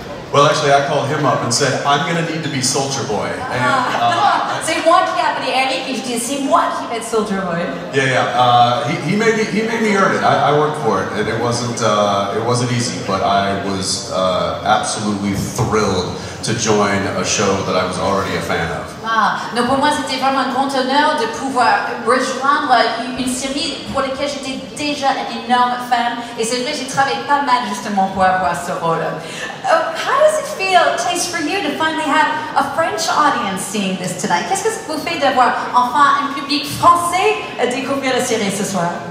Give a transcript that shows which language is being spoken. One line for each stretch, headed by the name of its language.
English: Well, actually, I called him up and said, I'm going to need to be Soldier Boy.
French: C'est moi qui a appelé Eric, et je dis, c'est moi qui fait Soldier Boy.
English: Yeah, yeah. He made me earn it. I worked for it, and it wasn't easy, but I was absolutely thrilled to join a show that I was already a fan of.
French: Donc pour moi, c'était vraiment un grand honneur de pouvoir rejoindre une série pour laquelle j'étais déjà an énorme fan. Et c'est vrai, j'ai travaillé pas mal justement pour avoir ce rôle.
English: How does it feel, Chase, for you to finally have a French audience seeing this tonight?
French: Qu'est-ce que ça vous fait d'avoir enfin un public français à découvrir la série ce soir?